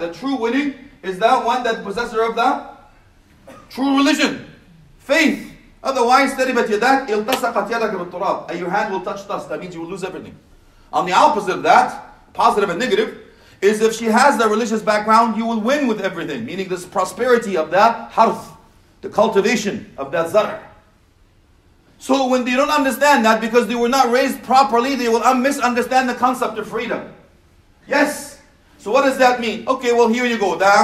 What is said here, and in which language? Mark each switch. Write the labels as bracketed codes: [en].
[en] The true winning is that one that possessor of the true religion, faith. Otherwise, [ar] تربت يداك التصقت يدك بالتراب. [en] And your hand will touch dust. That means you will lose everything. On the opposite of that, positive and negative, is if she has the religious background, you will win with everything. Meaning this prosperity of that harth, the cultivation of that zar. So when they don't understand that, because they were not raised properly, they will misunderstand the concept of freedom. Yes. So what does that mean? Okay, well here you go.